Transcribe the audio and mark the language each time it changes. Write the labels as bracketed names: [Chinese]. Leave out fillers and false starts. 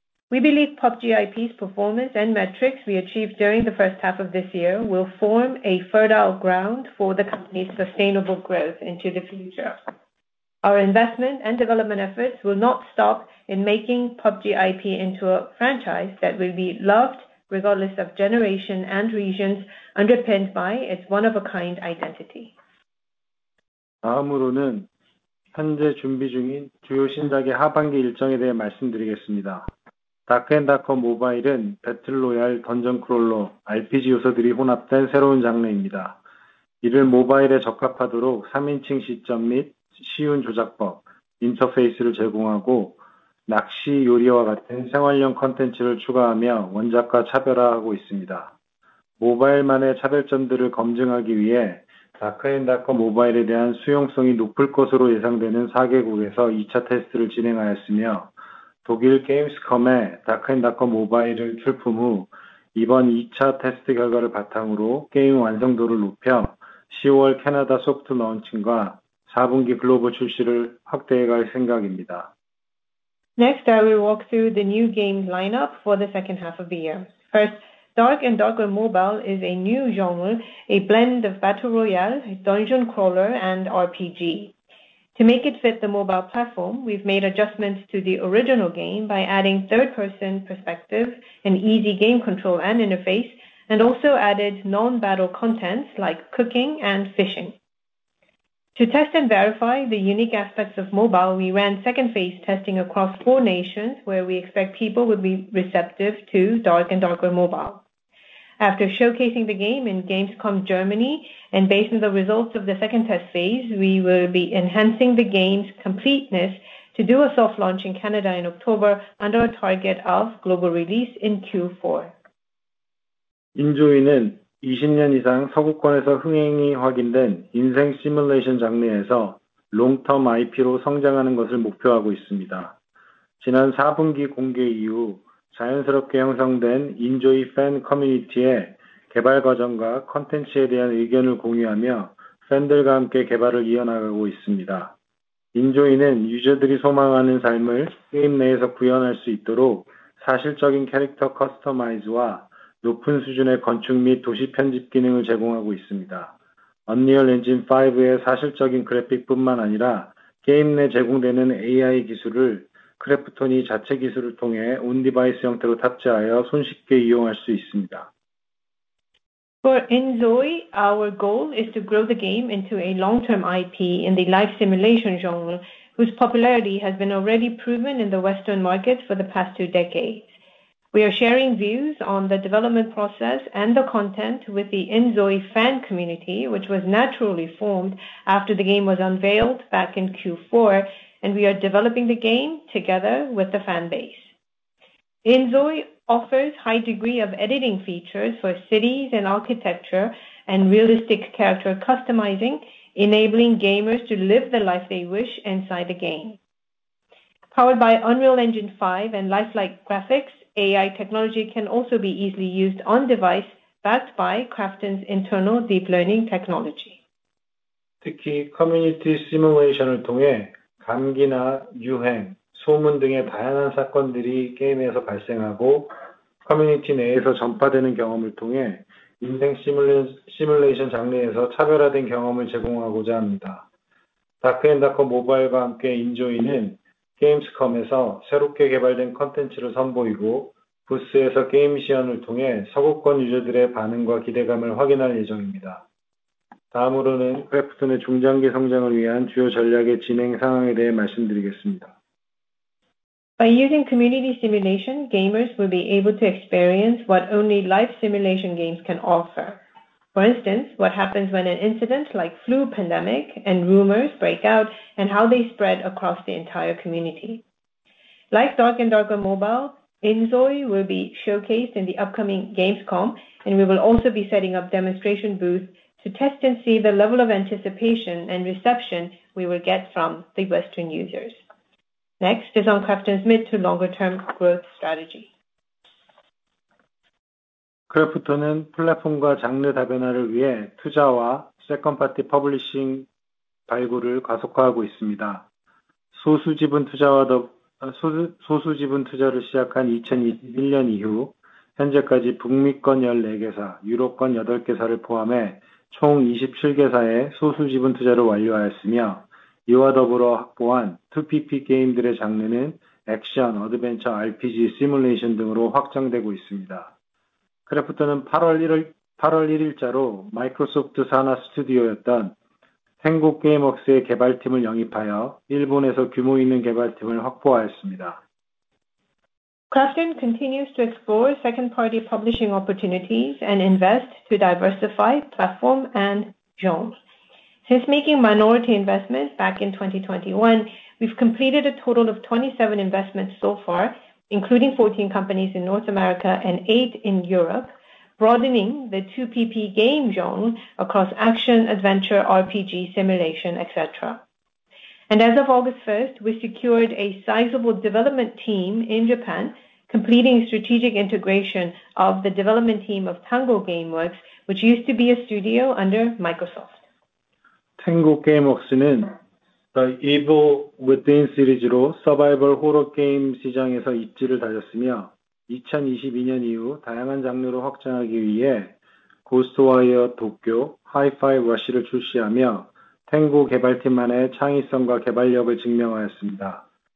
[English] We believe PUBG IP's performance and metrics we achieved during the first half of this year will form a fertile ground for the company's sustainable growth into the future. Our investment and development efforts will not stop in making PUBG IP into a franchise that will be loved regardless of generation and regions, underpinned by its one-of-a-kind identity. [Korean] 다음으로는 현재 준비 중인 주요 신작의 하반기 일정에 대해 말씀드리겠습니다. 다크앤다커 모바일은 배틀로얄, 던전 크롤러, RPG 요소들이 혼합된 새로운 장르입니다. 이를 모바일에 적합하도록 3인칭 시점 및 쉬운 조작법, 인터페이스를 제공하고 낚시 요리와 같은 생활형 컨텐츠를 추가하며 원작과 차별화하고 있습니다. 모바일만의 차별점들을 검증하기 위해 다크앤다커 모바일에 대한 수용성이 높을 것으로 예상되는 4개국에서 2차 테스트를 진행하였으며 독일 게임스컴에 다크앤다커 모바일을 출품 후 이번 2차 테스트 결과를 바탕으로 게임 완성도를 높여 10월 캐나다 소프트 런칭과 4분기 글로벌 출시를 확대해갈 생각입니다. [English] Next, I will walk through the new game lineup for the second half of the year. First, Dark and Darker Mobile is a new genre, a blend of battle royale, dungeon crawler, and RPG. To make it fit the mobile platform, we've made adjustments to the original game by adding third-person perspective, an easy game control and interface, and also added non-battle contents like cooking and fishing. To test and verify the unique aspects of mobile, we ran second phase testing across 4 nations where we expect people would be receptive to Dark and Darker Mobile. After showcasing the game in Gamescom Germany, and based on the results of the second test phase, we will be enhancing the game's completeness to do a soft launch in Canada in October under a target of global release in Q4. [Korean] 인조위는 20년 이상 서구권에서 흥행이 확인된 인생 시뮬레이션 장르에서 롱텀 IP로 성장하는 것을 목표하고 있습니다. 지난 4분기 공개 이후 자연스럽게 형성된 인조이 팬 커뮤니티에 개발 과정과 컨텐츠에 대한 의견을 공유하며 팬들과 함께 개발을 이어나가고 있습니다. 인조이는 유저들이 소망하는 삶을 게임 내에서 구현할 수 있도록 사실적인 캐릭터 커스터마이즈와 높은 수준의 건축 및 도시 편집 기능을 제공하고 있습니다. 언리얼 엔진 5의 사실적인 그래픽뿐만 아니라 게임 내 제공되는 AI 기술을 크래프톤이 자체 기술을 통해 온 디바이스 형태로 탑재하여 손쉽게 이용할 수 있습니다. [English] For inZOI, our goal is to grow the game into a long-term IP in the life simulation genre, whose popularity has been already proven in the Western markets for the past two decades. We are sharing views on the development process and the content with the inZOI fan community, which was naturally formed after the game was unveiled back in Q4, and we are developing the game together with the fan base. inZOI offers high degree of editing features for cities and architecture and realistic character customizing, enabling gamers to live the life they wish inside the game. Powered by Unreal Engine 5 and lifelike graphics, AI technology can also be easily used on device backed by KRAFTON's internal deep learning technology. [Korean] 특히 커뮤니티 시뮬레이션을 통해 감기나 유행, 소문 등의 다양한 사건들이 게임에서 발생하고 커뮤니티 내에서 전파되는 경험을 통해 인생 시뮬레이션 장르에서 차별화된 경험을 제공하고자 합니다. 다크앤다커 모바일과 함께 inZOI는 게임스컴에서 새롭게 개발된 콘텐츠를 선보이고 부스에서 게임 시연을 통해 서구권 유저들의 반응과 기대감을 확인할 예정입니다. 다음으로는 크래프톤의 중장기 성장을 위한 주요 전략의 진행 상황에 대해 말씀드리겠습니다. [English] By using community simulation, gamers will be able to experience what only life simulation games can offer. For instance, what happens when an incident like flu pandemic and rumors break out and how they spread across the entire community. Like Dark and Darker Mobile, inZOI will be showcased in the upcoming Gamescom, and we will also be setting up demonstration booths to test and see the level of anticipation and reception we will get from the Western users. Next is on KRAFTON's mid to longer term growth strategy. [Korean] 크래프톤은 플랫폼과 장르 다변화를 위해 투자와 세컨파티 퍼블리싱 발굴을 가속화하고 있습니다. 소수 지분 투자를 시작한 2021년 이후, 현재까지 북미권 14개사, 유럽권 8개사를 포함해 총 27개사에 소수 지분 투자를 완료하였으며, 이와 더불어 확보한 2PP 게임들의 장르는 액션, 어드벤처, RPG, 시뮬레이션 등으로 확장되고 있습니다. 크래프톤은 8월 1일자로 마이크로소프트 산하 스튜디오였던 행복 게임웍스의 개발팀을 영입하여 일본에서 규모 있는 개발팀을 확보하였습니다. [English] KRAFTON continues to explore second-party publishing opportunities and invest to diversify platform and genre. Since making minority investments back in 2021, we've completed a total of 27 investments so far, including 14 companies in North America and 8 in Europe, broadening the 2PP game genre across action, adventure, RPG, simulation, etc. And as of August 1st, we secured a sizable development team in Japan, completing strategic integration of the development team of Tango Gameworks, which used to be a studio under Microsoft. [Korean] 탱고 게임웍스는 The Evil Within 시리즈로 서바이벌 호러 게임 시장에서 입지를 다졌으며, 2022년 이후 다양한 장르로 확장하기 위해 고스트와이어 도쿄, 하이파이 러쉬를 출시하며, 탱고 개발팀만의 창의성과 개발력을 증명하였습니다.